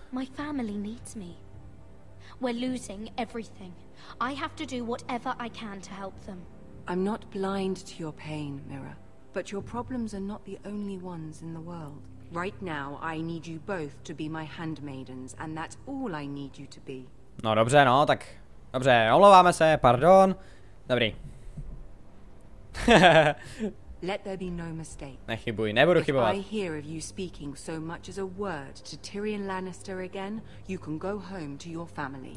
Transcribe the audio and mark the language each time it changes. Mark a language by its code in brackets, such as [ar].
[en] My family needs me. We're losing everything. I have to do whatever I can to help them. I'm not blind to your pain, Mira. But your problems are not the only ones in the world. Right now, I need you both to be my handmaidens, and that's all I need you to be. [cs] No dobře, no, tak. Dobře, omlouváme se, pardon. Dobrý. [en] Let there be no mistake. [cs] Nechybuj, nebudu chybovat. [en] If I hear of you speaking so much as a word to Tyrion Lannister again, you can go home to your family.